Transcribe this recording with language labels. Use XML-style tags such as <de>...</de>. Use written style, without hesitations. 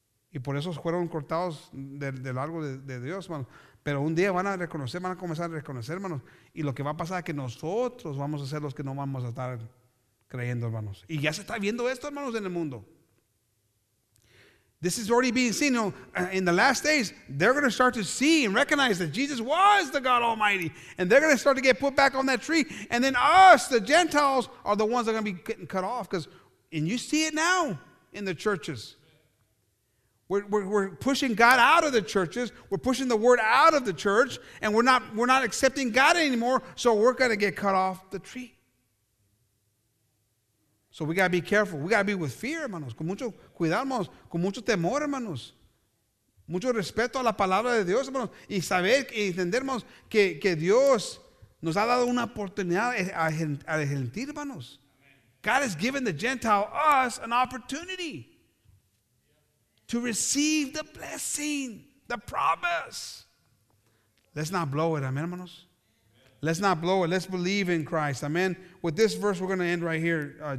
<es>Y por eso fueron cortados del árbol de Dios, hermanos. Pero un día van a reconocer, van a comenzar a reconocer, hermanos. Y lo que va a pasar es que nosotros vamos a ser los que no vamos a estar creyendo, hermanos. Y ya se está viendo esto, hermanos, en el mundo.</es> <en>This is already being seen. In the last days, they're going to start to see and recognize that Jesus was the God Almighty. And they're going to start to get put back on that tree. And then us, the Gentiles, are the ones that are going to be getting cut off. And you see it now in the churches. We're pushing God out of the churches. We're pushing the word out of the church. And we're not accepting God anymore. So we're going to get cut off the tree. So we got to be careful. We got to be with fear, hermanos.</en> <es>Con mucho cuidado, hermanos. Con mucho temor, hermanos. Mucho respeto a la palabra de Dios, hermanos. Y saber y entender, hermanos, que Dios nos ha dado una oportunidad al gentil, hermanos.</es> <en>God has given the Gentile, us, an opportunity to receive the blessing, the promise. Let's not blow it, amen, hermanos. Let's not blow it. Let's believe in Christ. Amen. With this verse, we're going to end right here.</en>